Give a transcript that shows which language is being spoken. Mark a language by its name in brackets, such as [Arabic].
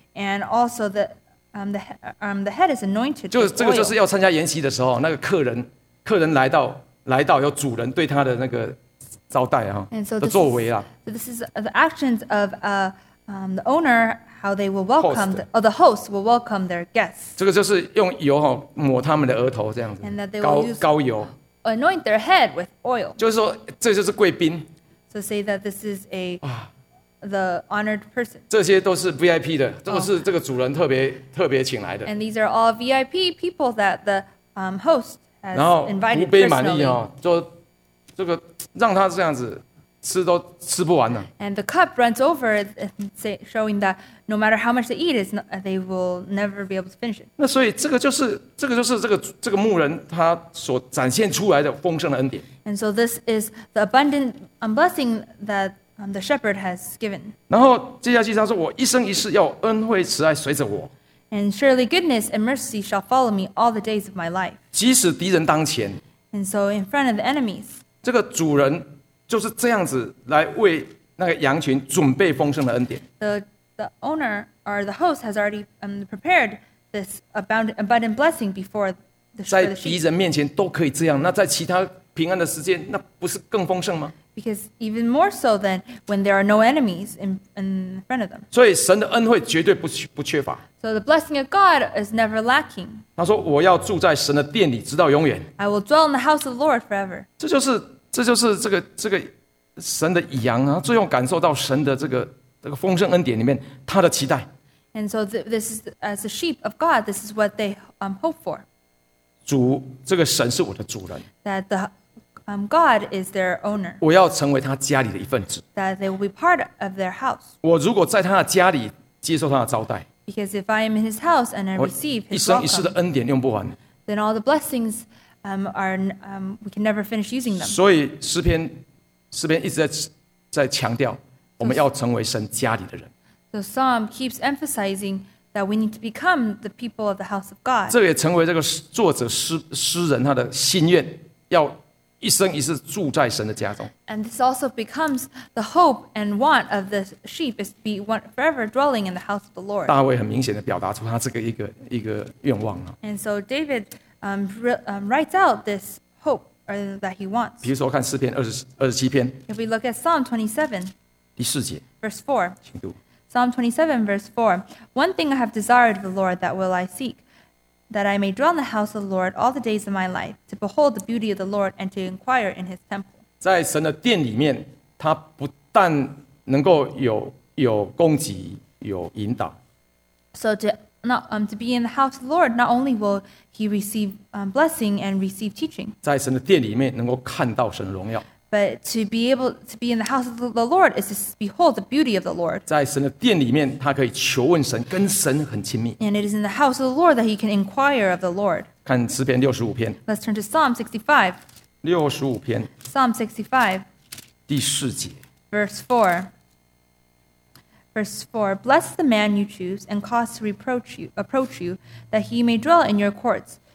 [English] And also the head is anointed. [Chinese] 就这个就是要参加筵席的时候，那个客人来到，有主人对他的那个招待啊的作为啦。 [English] So this is the actions of the owner, how they will welcome the host will welcome their guests. [Chinese] 这个就是用油哈抹他们的额头这样子。 [English] And that they will use [Chinese] 膏油。 [English] Anoint their head with oil. [Chinese] 就是说，这就是贵宾。 [English] So say that this is the honored person. [Chinese] 这些都是 VIP 的，都是这个主人特别请来的。 [English] And these are all VIP people that the host has invited personally. [Chinese] 然后，福杯满溢哦，就这个让他这样子吃都吃不完了。 [English] And the cup runs over, showing that no matter how much they eat, they will never be able to finish it. [Chinese] 那所以这个就是这个牧人他所展现出来的丰盛的恩典。 [English] And so this is the abundant blessing that the shepherd has given. [Chinese] 然后接下去他说：“我一生一世要恩惠慈爱随着我。” [English] And surely goodness and mercy shall follow me all the days of my life. [Chinese] 即使敌人当前。 [English] And so in front of the enemies. [Chinese] 这个主人。就是这样子来为那个羊群准备丰盛的恩典。 [English] The owner or the host has already prepared this abundant blessing before the sheep. [Chinese] 在敌人面前都可以这样，那在其他平安的时间，那不是更丰盛吗 [English] ？Because even more so than when there are no enemies in front of them. [Chinese] 所以神的恩惠绝对不缺乏。 [English] So the blessing of God is never lacking. [Chinese] 他说：“我要住在神的殿里，直到永远。” [English] I will dwell in the house of the Lord forever. [Chinese] 这就是这个神的羊啊，最后感受到神的这个丰盛恩典里面他的期待。 [English] And so this is as the sheep of God, this is what they hope for. [Chinese] 主这个神是我的主人。 [English] That the God is their owner. [Chinese] 我要成为他家里的一份子。 [English] That they will be part of their house. [Chinese] 我如果在他的家里接受他的招待。 [English] Because if I am in his house and I receive his welcome. [Chinese] 一生一世的恩典用不完。 [English] Then all the blessings. We can never finish using them. [Chinese] 所以诗篇一直在强调，我们要成为神家里的人。 [English] The psalm keeps emphasizing that we need to become the people of the house of God. [Chinese] 这也成为这个作者诗人他的心愿，要一生一世住在神的家中。 [English] And this also becomes the hope and want of the sheep is to be forever dwelling in the house of the Lord. [Chinese] 大卫很明显的表达出他这个一个愿望啊。 [English] And so David. Writes out this hope that he wants. [Chinese] 比如说，看诗篇二十七篇。 [English] If we look at Psalm 27, [Chinese] 第四节 [English] ，verse 4, [Chinese] 请读。 [English] Psalm 27, verse 4. One thing I have desired of the Lord, that will I seek, that I may dwell in the house of the Lord all the days of my life, to behold the beauty of the Lord and to inquire in His temple. [Chinese] 在神的殿里面，他不但能够有供给，有引导。 [English] So to Not, to be in the house of the Lord, not only will he receive blessing and receive teaching, [Chinese] 在神的殿里面能够看到神的荣耀 [English] but to be in the house of the Lord is to behold the beauty of the Lord. [Chinese] 在神的殿里面，他可以求问神，跟神很亲密 [English] And it is in the house of the Lord that he can inquire of the Lord. [Chinese] 看诗篇六十五篇 [English] Let's turn to Psalm 65. [Chinese] 六十五篇 [English] Psalm 65. [Chinese] 第四节 [English] Verse 4. Verse 4, bless the man you choose and cause to approach you, that he may dwell in your courts.